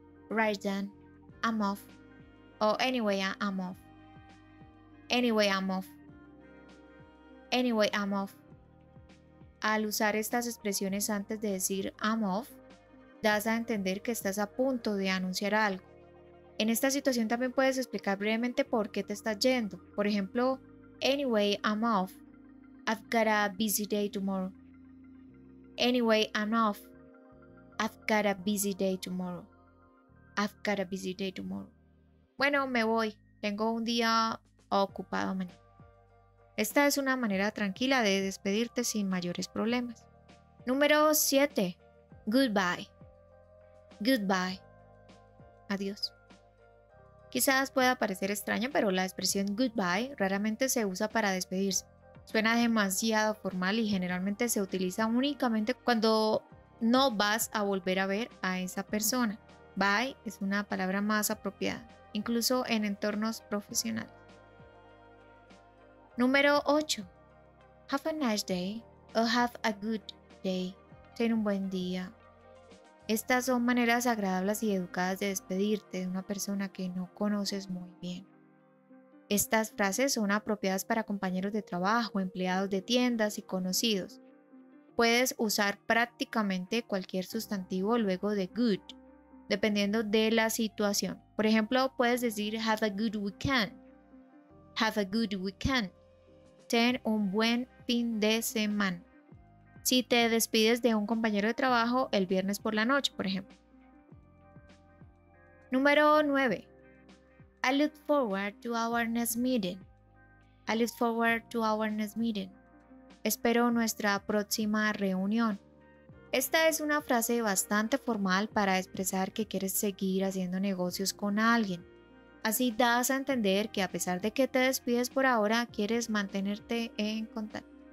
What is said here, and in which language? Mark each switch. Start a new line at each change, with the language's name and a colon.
English: Right then, I'm off. O anyway, I'm off. Anyway, I'm off. Anyway, I'm off.
Spanish: Al usar estas expresiones antes de decir
English: I'm off,
Spanish: das a entender que estás a punto de anunciar algo. En esta situación también puedes explicar brevemente por qué te estás yendo. Por ejemplo,
English: anyway, I'm off. I've got a busy day tomorrow. Anyway, I'm off. I've got a busy day tomorrow. I've got a busy day tomorrow.
Spanish: Bueno, me voy. Tengo un día ocupado mañana. Esta es una manera tranquila de despedirte sin mayores problemas. Número 7.
English: Goodbye. Goodbye.
Spanish: Adiós. Quizás pueda parecer extraño, pero la expresión goodbye raramente se usa para despedirse. Suena demasiado formal y generalmente se utiliza únicamente cuando no vas a volver a ver a esa persona. Bye es una palabra más apropiada, incluso en entornos profesionales. Número 8.
English: Have a nice day or have a good day.
Spanish: Ten un buen día. Estas son maneras agradables y educadas de despedirte de una persona que no conoces muy bien. Estas frases son apropiadas para compañeros de trabajo, empleados de tiendas y conocidos. Puedes usar prácticamente cualquier sustantivo luego de good, dependiendo de la situación. Por ejemplo, puedes decir
English: have a good weekend. Have a good weekend.
Spanish: Ten un buen fin de semana. Si te despides de un compañero de trabajo el viernes por la noche, por ejemplo. Número 9.
English: I look forward to our next meeting. I look forward to our next meeting.
Spanish: Espero nuestra próxima reunión. Esta es una frase bastante formal para expresar que quieres seguir haciendo negocios con alguien. Así das a entender que a pesar de que te despides por ahora, quieres mantenerte en contacto.